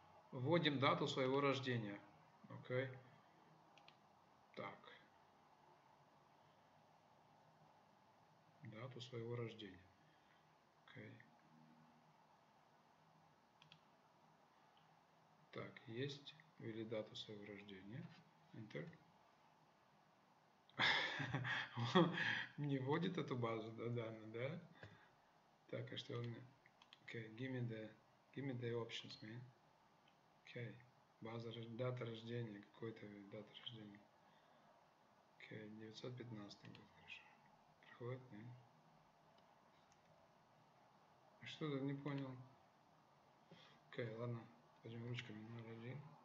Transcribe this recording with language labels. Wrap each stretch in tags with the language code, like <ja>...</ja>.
<ru>Вводим дату своего рождения, okay? Так, дату своего рождения, okay. Так, есть, ввели дату своего рождения, enter. Не вводит эту базу, да, данные, да? Так, а что у меня?</ru> <en>Окей, give me the options, man.</en> <ru>Окей, база, дата рождения, какой-то дата рождения. Окей, 915 год, хорошо. Проходит, нет? А что тут, не понял? Окей, ладно, пойдем ручками, 01.</ru>